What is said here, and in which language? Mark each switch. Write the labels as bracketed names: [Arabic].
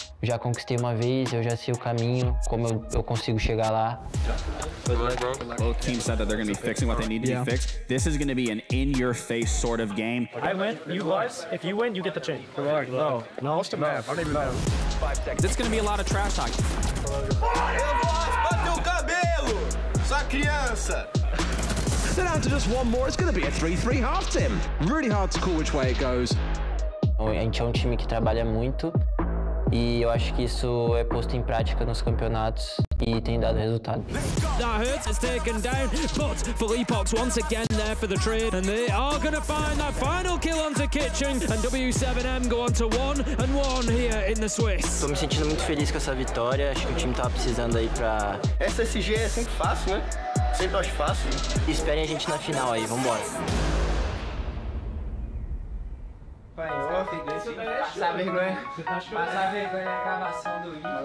[Portuguese] Já conquistei uma vez, eu já sei o caminho, como eu consigo chegar lá. [English] Both teams said that they're going to be fixing what they need to be fixed. This is going to be an in-your-face sort of game. I win, you lose. If you win, you get the chain. No. I don't even know. It's going to be a lot of trash talk. [Portuguese] Bateu o cabelo! Sua criança! [English] Then after just one more, it's going to be a 3-3 half team. Really hard to call which way it goes. [Portuguese] A gente é um time que trabalha muito. E eu acho que isso é posto em prática nos campeonatos e tem dado resultado. [English] That hurts, it's taken down, but Philippox once again there for the trade, and they are gonna find that final kill onto Kitchen, and W7M go on to 1-1 here in the Swiss. [Portuguese] Tô me sentindo muito feliz com essa vitória, acho que o time tava precisando aí pra... Essa SG é sempre fácil, né? Sempre acho fácil. E esperem a gente na final aí, vambora. Pai, eu ouvi desse. Passar vergonha. Passar vergonha a gravação do